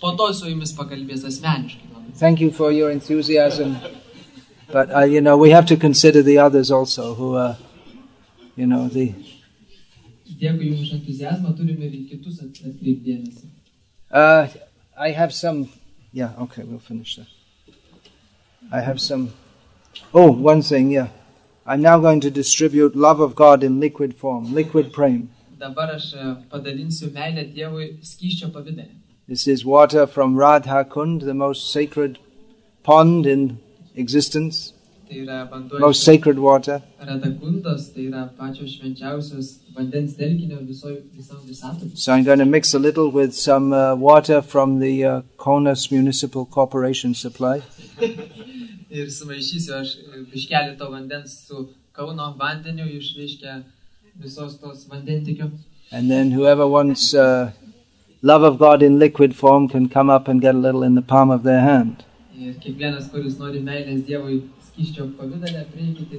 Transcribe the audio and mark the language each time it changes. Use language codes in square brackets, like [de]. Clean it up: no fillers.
[lt] Po to su jumis pakalbės asmeniškai. [en] Thank you for your enthusiasm. But, you know, we have to consider the others also who are, you know, the... [lt] Dėkui jums entuziasmą, turime ir kitus atkreipti dėmesį. [en] I have some... Yeah, okay, we'll finish that. I have some... Oh, one thing, yeah. I'm now going to distribute love of God in liquid form, liquid prem. [lt] Dabar aš padalinsiu meilę Dievui skysčio pavidale. [en] This is water from Radha Kund, the most sacred pond in existence. [lt] Tai yra vanduo. [en] Most sacred water. [lt] Radha Kundas, tai yra pačios švenčiausios vandens telkinio visam visatoje. [en] So I'm going to mix a little with some water from the Kaunas Municipal Corporation supply. [lt] Ir sumaišysiu aš biškelį to vandens su Kauno vandeniu iš reiškia visos tos vandentikio. [en] And then whoever wants love of God in liquid form can come up and get a little in the palm of their hand. [lt] Ir kiekvienas, kuris nori meilės Dievui skysčio pavidale, prieikite.